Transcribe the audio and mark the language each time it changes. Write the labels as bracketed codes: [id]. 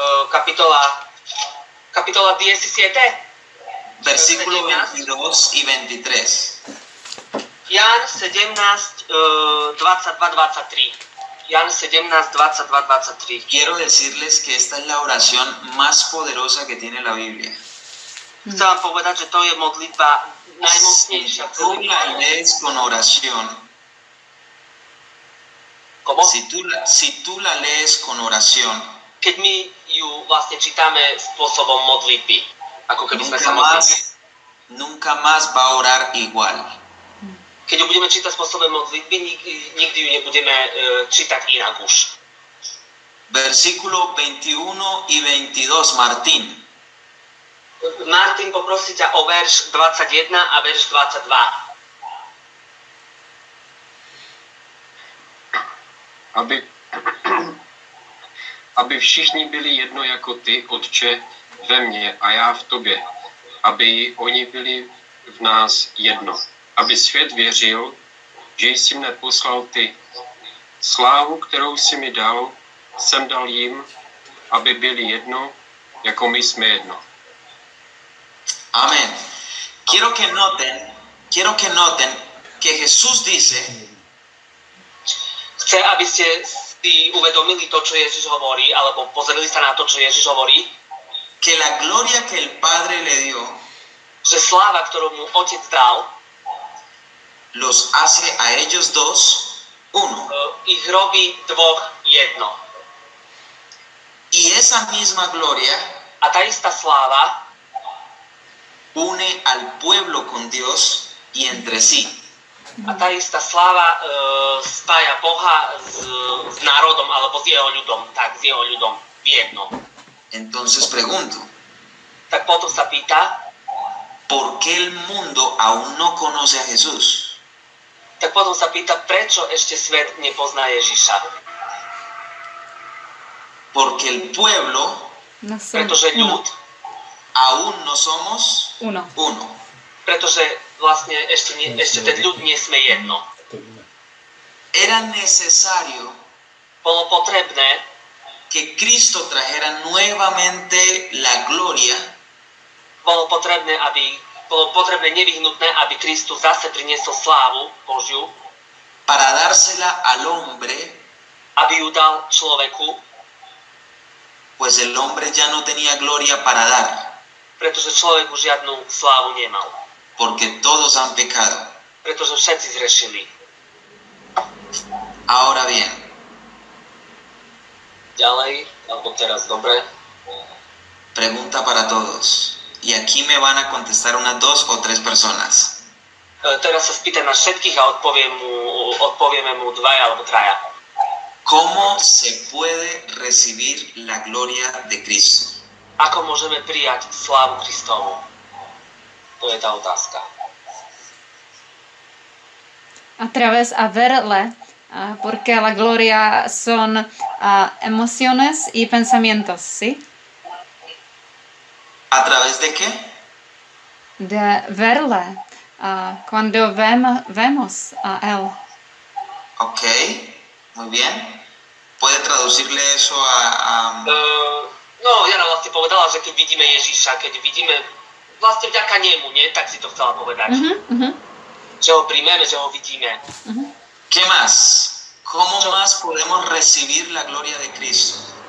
[sk] Kapitola 17. [es] Versículo 22 y 23. [sk] Jan 17, 22, 23. Jan 17, 22, 23. [es] Quiero decirles que esta es la oración más poderosa que tiene la Biblia. [sk] Chcem vám povedať, že to je modlitba najmocnejšia. [es] Si tú la lees con oración. ¿Cómo? Si tú la lees con oración. [sk] Keď my ju vlastne čítame spôsobom modlitby. Ako keby sme sa modlili. [es] Nunca más va a orar igual. [sk] Keď ju budeme čítať spôsobom modlitby, nikdy ju nebudeme čítať inak už. [es] Versículo 21 y 22, Martín. [sk] Martín, poprosí ťa o verš 21 a verš 22. [cs] Aby všichni byli jedno jako ty, Otče, ve mně a já v tobě. Aby oni byli v nás jedno. Aby svět věřil, že jsi mne poslal ty. Slávu, kterou jsi mi dal, jsem dal jim, aby byli jedno, jako my jsme jedno. Amen. [es] Quiero que noten, que Jesús dice, [sk] chce, aby ste si uvedomili to, čo Ježiš hovorí, alebo pozreli sa na to, čo Ježiš hovorí, [es] que la gloria que el Padre le dio, [sk] že sláva, ktorú mu Otec dal, [es] los hace a ellos dos uno. [sk] Ich robí dvoch jedno. [es] Y esa misma gloria, [sk] a tá istá sláva, [es] une al pueblo con Dios y entre sí. [sk] A tá istá sláva spája Boha s národom, alebo s jeho ľudom, tak s jeho ľudom v jedno. [es] Entonces pregunto. [sk] Tak potom sa pýta, [es] ¿por qué el mundo aún no conoce a Jesús? [sk] Tak potom sa pýta, prečo ešte svet nepozná Ježiša? [es] Porque el pueblo, [sk] pretože ľud, [es] aún no somos uno. [sk] Pretože vlastne ešte ten ľud nie sme jedno. [es] Era necesario, [sk] bolo potrebné, [es] que Cristo trajera nuevamente la gloria, [sk] bolo potrebné, nevyhnutné, aby Kristus zase priniesol slávu Božiu, [es] para dársela al hombre, [sk] aby ju dal človeku, [es] pues el hombre ya no tenía gloria para dar, [sk] pretože človek už žiadnu slávu nemal, [es] porque todos han pecado, [sk] pretože všetci zrešili. [es] Ahora bien, [sk] ďalej, alebo teraz, dobre. [es] Pregunta para todos. Y aquí me van a contestar unas dos o tres personas. [sk] Teraz sa spýtam na všetkých a odpovieme mu dvaja alebo traja. [es] ¿Cómo se puede recibir la gloria de Cristo? [sk] Ako môžeme prijať slávu Kristovu? To je tá otázka. [es] A través a verle, porque la gloria son emociones y pensamientos, ¿sí? ¿A través de qué? De verle, cuando vemos a él. Ok, muy bien. ¿Puede traducirle eso a...? [sk] Jana vlastne povedala, že keď vidíme Ježíša, keď vidíme vlastne vďaka nemu, nie? Tak si to chcela povedať. Uh-huh. Že ho príjmeme, že ho vidíme. [es] Uh-huh. ¿Qué más? ¿Cómo más podemos recibir la gloria de Cristo?